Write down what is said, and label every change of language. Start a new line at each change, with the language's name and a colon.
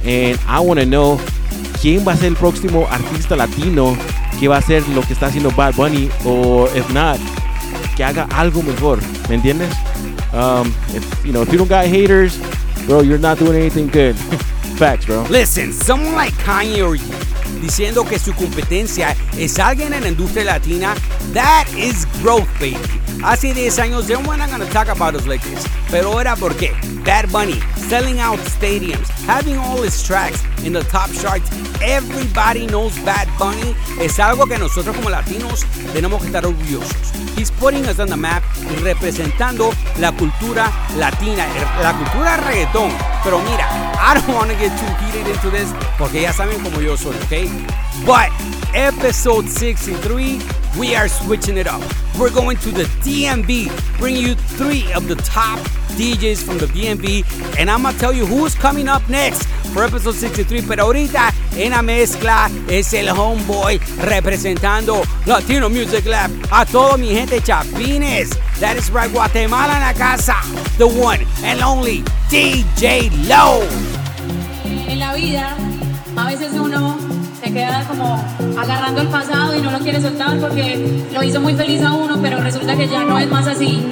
English: And I want to know,
Spanish: ¿quién va a ser el próximo artista latino que va a hacer lo que está haciendo Bad Bunny?
English: Or if not,
Spanish: que haga algo mejor, ¿me entiendes?
English: If you don't got haters, bro, you're not doing anything good. Facts, bro. Listen, someone like Kanye or you,
Spanish: diciendo que su competencia es alguien en la industria latina.
English: That is growth, baby.
Spanish: Hace 10 años,
English: they weren't going to talk about us like this.
Spanish: Pero era porque
English: Bad Bunny, selling out stadiums, having all his tracks in the top charts. Everybody knows Bad Bunny.
Spanish: Es algo que nosotros como latinos tenemos que estar orgullosos.
English: He's putting us on the map
Spanish: y representando la cultura latina, la cultura reggaetón. Pero mira,
English: I don't want to get too heated into this
Spanish: porque ya saben como yo soy,
English: okay? But episode 63, we are switching it up. We're going to the DMV, bringing you three of the top DJs from the DMV. And I'm going to tell you who's coming up next for episode 63.
Spanish: Pero ahorita en la mezcla es el homeboy representando Latino Music Lab. A todo mi gente chapines.
English: That is right,
Spanish: Guatemala en la casa.
English: The one and only DJ Low.
Spanish: En la vida, a veces uno se queda como agarrando el pasado y no lo quiere soltar porque lo hizo muy feliz a uno, pero resulta que ya no es más así.